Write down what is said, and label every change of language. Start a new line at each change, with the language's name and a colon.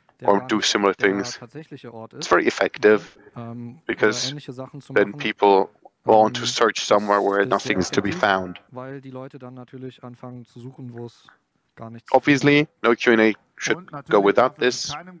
English: or do similar things. It's very effective because then people want to search somewhere where nothing is to be found.
German: Weil die Leute dann natürlich anfangen zu suchen, wo es gar nichts gibt.
English: Obviously, no Q&A should go without this.